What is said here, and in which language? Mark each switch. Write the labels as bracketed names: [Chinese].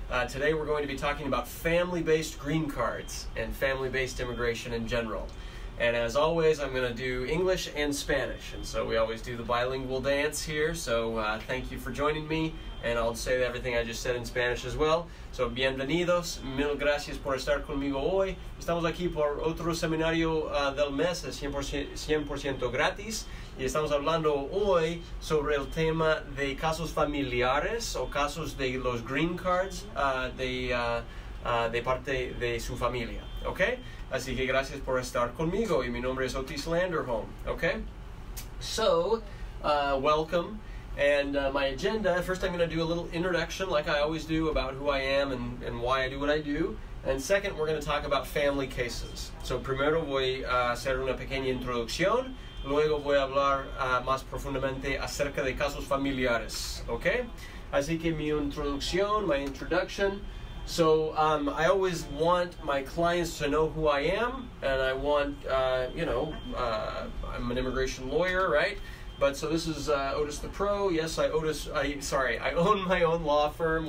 [English] Today we're going to be talking about family-based green cards and family-based immigration in general. And as always, I'm going to do English and Spanish, and so we always do the bilingual dance here, so thank you for joining me, and I'll say everything I just said in Spanish as well. [Spanish] So bienvenidos, mil gracias por estar conmigo hoy. Estamos aquí por otro seminario del mes, es 100% gratis, y estamos hablando hoy sobre el tema de casos familiares o casos de los green cards de parte de su familia. Okay, así que gracias por estar conmigo, y mi nombre es Otis Landerholm. [English] Okay, so welcome, and my agenda. First, I'm going to do a little introduction, like I always do, about who I am and why I do what I do. And second, we're going to talk about family cases. [Spanish] So primero voy a hacer una pequeña introducción. Luego voy a hablar más profundamente acerca de casos familiares. Okay, así que mi introducción, [English] my introduction. So I always want my clients to know who I am, and I want, I'm an immigration lawyer, right? But so this is Otis the Pro. Yes, I own my own law firm.